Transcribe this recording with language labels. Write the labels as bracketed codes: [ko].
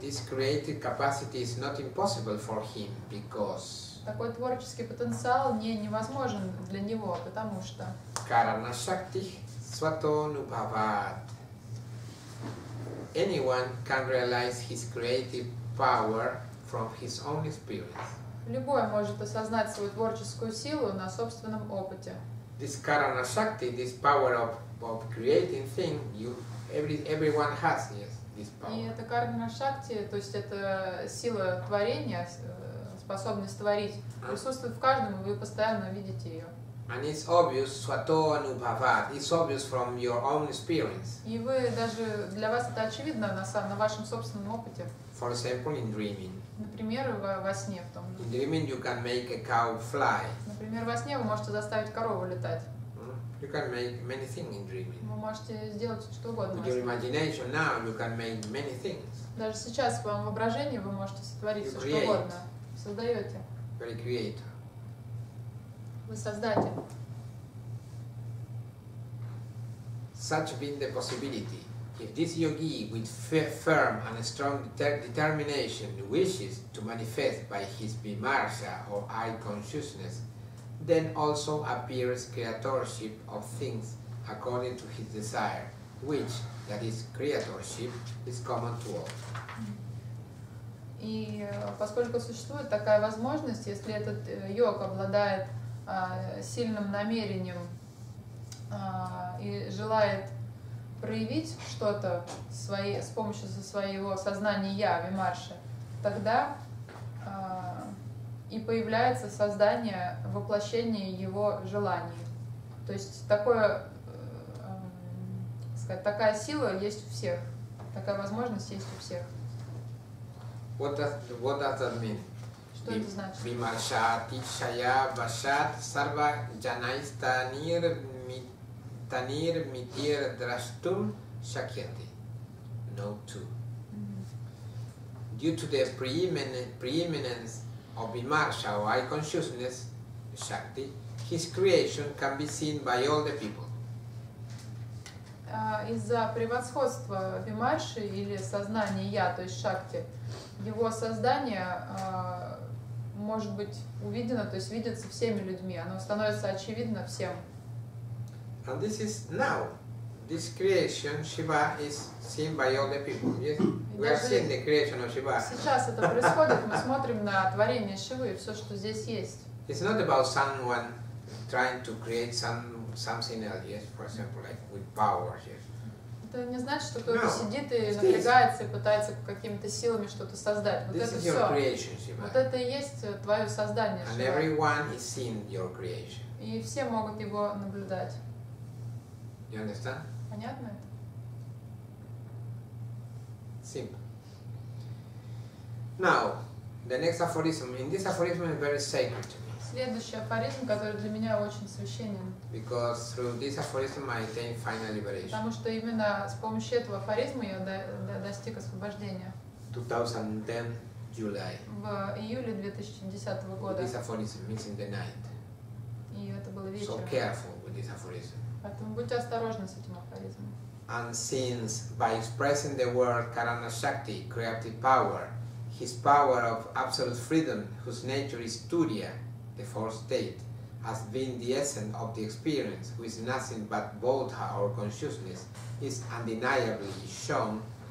[en] this creative capacity is not impossible for him because [ru] такой творческий потенциал не невозможен для него, потому что [sa] Карана Шакти Сватону Бхават. [en] Anyone can realize his creative power from his own experience. [ru] Любой может осознать свою творческую силу на собственном опыте. [en] This Karana Shakti, this power of creating thing, everyone has, yes, this power. [ru] И это карма шакти, то есть это сила творения, способность творить, присутствует в каждом, и вы постоянно видите ее. [en] And it's obvious, svato anubhavat, it's obvious from your own experience. [ru] И вы даже, для вас это очевидно на вашем собственном опыте. [en] For example, in dreaming. [ru] Например, во сне в том. [en] In dreaming you can make a cow fly. [ru] Например, во сне вы можете заставить корову летать. [en] You can make many things in dreaming. [ru] Вы можете сделать что угодно. [en] With your imagination now you can make many things. [ru] Даже сейчас в вашем воображении вы можете сотворить [en] you [ru] все [en] create. [ru] Что угодно. Создаете. [en] You're a creator. [ru] Вы создатель. [en] Such being the possibility. If this yogi with firm and strong determination wishes to manifest by his vimarsa or eye consciousness, then also appears creatorship of things according to his desire, which, that is, creatorship, is common to all. [ru] И поскольку существует такая возможность, если этот йог обладает сильным намерением и желает проявить что-то с помощью своего сознания я, вимарши, тогда и появляется создание, воплощение его желаний. То есть такая сила есть у всех, такая возможность есть у всех. [en] What does that mean? [ru] Что это значит? [sa] Vimarshat, ishaya, vashat, sarva, janaista, nir, mitir, drashtum, shakyate. Note 2. [en] Due to the preeminence of Vimarsha or eye consciousness, Shakti, his creation can be seen by all the people. [ru] Из-за превосходства Вимарши или сознания Я, то есть Шакти, его создание может быть увидено, то есть видится всеми людьми, оно становится очевидно всем. [en] And this is now. This creation, Shiva, is seen by all the people. Yes? We are seeing the creation of Shiva. [ru] Сейчас это происходит, мы смотрим на творение Шивы и все, что здесь есть. [en] It's not about someone trying to create something else, yes? For example, like with power, yes? [ru] Это не значит, что кто-то сидит и напрягается, и пытается какими-то силами что-то создать. Вот [en] this [ru] это [en] is [ru] все. [en] Your creation, Shiva. [ru] Вот это и есть твое создание, Шива. [en] And everyone is seeing your creation. [ru] И все могут его наблюдать. [en] You understand? [ru] Понятно. [en] Simple. Now, the next aphorism. In this aphorism is very sacred to me. [ru] Следующий афоризм, который для меня очень священен. [en] Because through this aphorism I attain final liberation. [ru] Потому что именно с помощью этого афоризма я достиг освобождения. [en] 2010 July. [ru] В июле 2010 года. [en] This aphorism means in the night. [ru] И это было вечером. [en] So careful with this aphorism. [ru] Поэтому будьте осторожны с этим афоризмом. [en] And since by expressing the word Karana Shakti, creative power, his power of absolute freedom, whose nature is Turiya, the fourth state, has been the essence of the experience, who is nothing but Bodha or consciousness, is undeniably shown.